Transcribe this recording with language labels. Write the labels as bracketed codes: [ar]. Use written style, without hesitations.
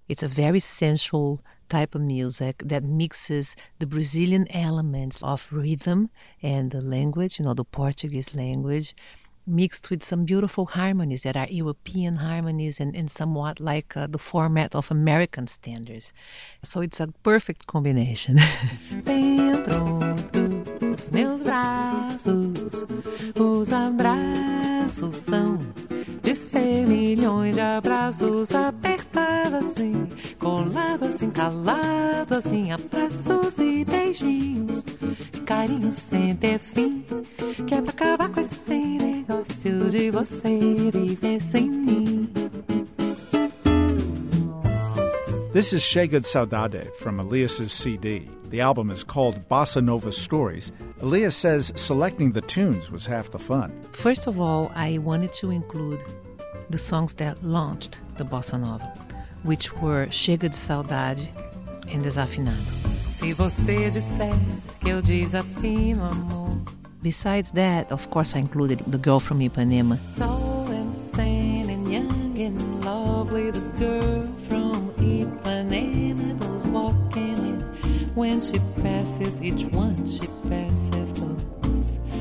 [en] It's a very sensual type of music that mixes the Brazilian elements of rhythm and the language, you know, the Portuguese language, mixed with some beautiful harmonies that are European harmonies and somewhat like the format of American standards. So it's a perfect combination. [pt] Dentro dos meus braços, os abraços são de 100 milhões de abraços, apertado assim, colado assim, calado assim, abraços e beijinhos, carinho sem ter fim, que é pra acabar com esse negócio de você viver sem mim. [en] This is Chega de Saudade from Elias's CD. The album is called Bossa Nova Stories. Elias says selecting the tunes was half the fun. First of all, I wanted to include the songs that launched the bossa nova, which were Chega de Saudade and Desafinado. [pt] Se você disser que eu desafino, amor. [en] Besides that, of course, I included The Girl from Ipanema. Tall and thin and young and lovely, the girl from Ipanema goes walking in. When she passes, each one she passes goes.